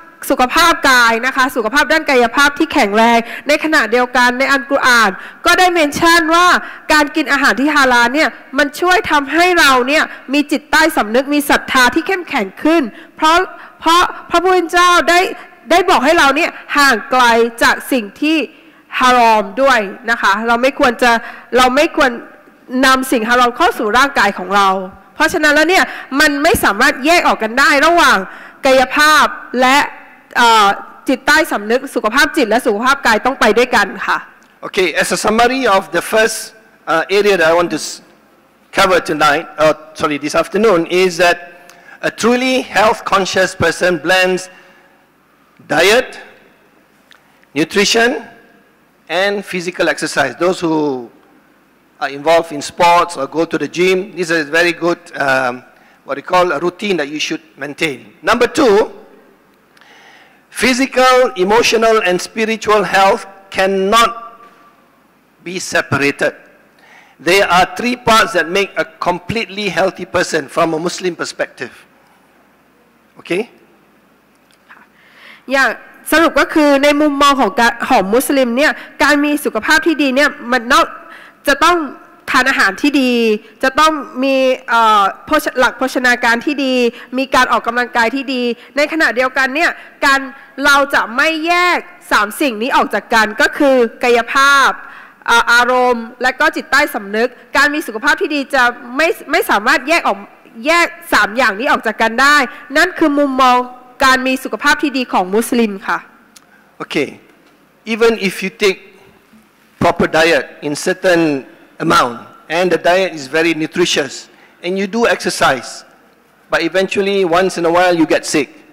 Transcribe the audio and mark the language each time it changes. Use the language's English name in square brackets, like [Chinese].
[Thai] สุขภาพกายนะคะสุขภาพด้านกายภาพที่แข็งแรงในขณะเดียวกันในอัลกุรอานก็ได้เมนชั่นว่าการกินอาหารที่ฮาลาลเนี่ยมันช่วยทำให้เราเนี่ยมีจิตใต้สำนึกมีศรัทธาที่เข้มแข็งขึ้นเพราะพระผู้เป็นเจ้าได้บอกให้เราเนี่ยห่างไกลจากสิ่งที่ฮารอมด้วยนะคะเราไม่ ควรนำสิ่งฮารอมเข้าสู่ร่างกายของเราเพราะฉะนั้นแล้วเนี่ยมันไม่สามารถแยกออกกันได้ระหว่างกายภาพและจิตใต้สำนึกสุขภาพจิตและสุขภาพกายต้องไปด้วยกันค่ะ [English] โอเค as a summary of the first area that I want to cover tonight this afternoon is that a truly health conscious person blends diet nutrition and physical exercise those who are involved in sports or go to the gym this is very good what we call a routine that you should maintain number 2 physical emotional and spiritual health cannot be separated there are 3 parts that make a completely healthy person from a Muslim perspective okay [Thai] yeah สรุปก็คือในมุมมองของมุสลิมเนี่ยการมีสุขภาพที่ดีเนี่ยมันจะต้องทานอาหารที่ดีจะต้องมี หลักโภชนาการที่ดีมีการออกกำลังกายที่ดีในขณะเดียวกันเนี่ยการเราจะไม่แยก3สิ่งนี้ออกจากกันก็คือกายภาพอารมณ์และก็จิตใต้สำนึกการมีสุขภาพที่ดีจะไม่สามารถแยก3อย่างนี้ออกจากกันได้นั่นคือมุมมองการมีสุขภาพที่ดีของมุสลิมค่ะ [English] โอเค even if you take proper diet in certainamount and the diet is very nutritious and you do exercise but eventually once in a while you get sick